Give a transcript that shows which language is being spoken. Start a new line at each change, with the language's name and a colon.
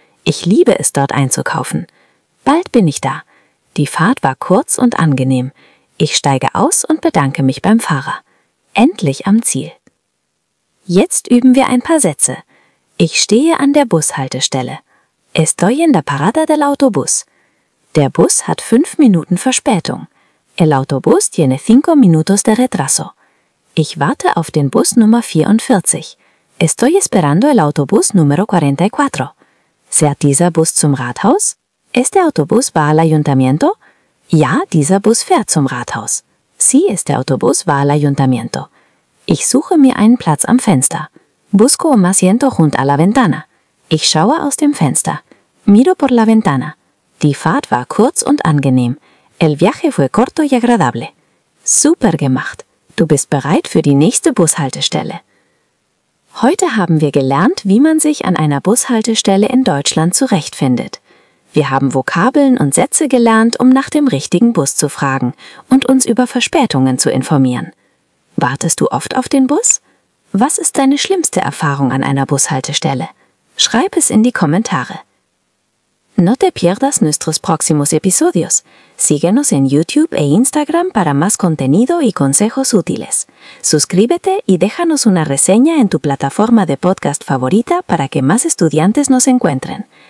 German: Ich liebe es, dort einzukaufen. Bald bin ich da. Die Fahrt war kurz und angenehm. Ich steige aus und bedanke mich beim Fahrer. Endlich am Ziel. Jetzt üben wir ein paar Sätze. Ich stehe an der Bushaltestelle.
Spanish: Estoy en la parada del autobús.
German: Der Bus hat 5 Minuten Verspätung.
Spanish: El autobús tiene 5 minutos de retraso.
German: Ich warte auf den Bus Nummer 44.
Spanish: Estoy esperando el autobús número 44.
German: Fährt dieser Bus zum Rathaus?
Spanish: Este autobús va al ayuntamiento?
German: Ja, dieser Bus fährt zum Rathaus.
Spanish: Sí, este autobús va al ayuntamiento.
German: Ich suche mir einen Platz am Fenster.
Spanish: Busco un asiento junto a la ventana.
German: Ich schaue aus dem Fenster.
Spanish: Miro por la ventana.
German: Die Fahrt war kurz und angenehm.
Spanish: El viaje fue corto y agradable.
German: Super gemacht. Du bist bereit für die nächste Bushaltestelle. Heute haben wir gelernt, wie man sich an einer Bushaltestelle in Deutschland zurechtfindet. Wir haben Vokabeln und Sätze gelernt, um nach dem richtigen Bus zu fragen und uns über Verspätungen zu informieren. Wartest du oft auf den Bus? Was ist deine schlimmste Erfahrung an einer Bushaltestelle? Schreib es in die Kommentare.
Spanish: No te pierdas nuestros próximos episodios. Síguenos en YouTube e Instagram para más contenido y consejos útiles. Suscríbete y déjanos una reseña en tu plataforma de podcast favorita para que más estudiantes nos encuentren.